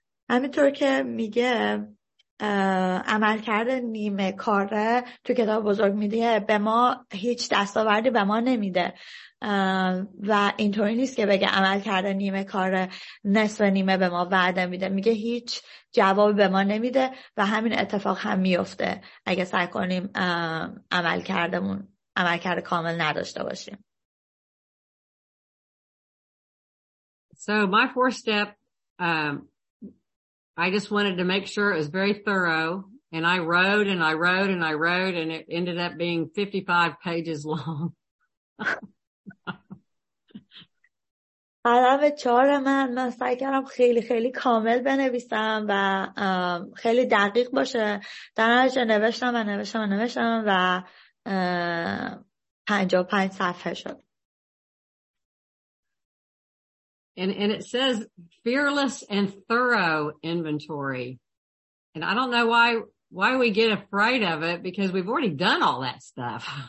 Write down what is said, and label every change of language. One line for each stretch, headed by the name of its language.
Persian: همینطور که میگه عمل کرده نیمه کاره تو کتاب بزرگ میده به ما هیچ دستاوردی به ما نمیده، و اینطوری نیست که بگه عمل کرده نیمه کاره نصف نیمه به ما وعده میده، میگه هیچ جواب به ما نمیده و همین اتفاق هم میفته اگه سعی کنیم عمل کردمون عمل کرده کامل نداشته باشیم.
English: So my fourth step, I just wanted to make sure it was very thorough, and I wrote and I wrote and I wrote, and it ended up being 55 pages long.
Persian: قدم چهار من سعی کردم خیلی خیلی کامل بنویسم و خیلی دقیق باشه. در نتیجه نوشتم و نوشتم و نوشتم و 55 صفحه شد.
English: And it says fearless and thorough inventory. And I don't know why why we get afraid of it, because we've already done all that stuff.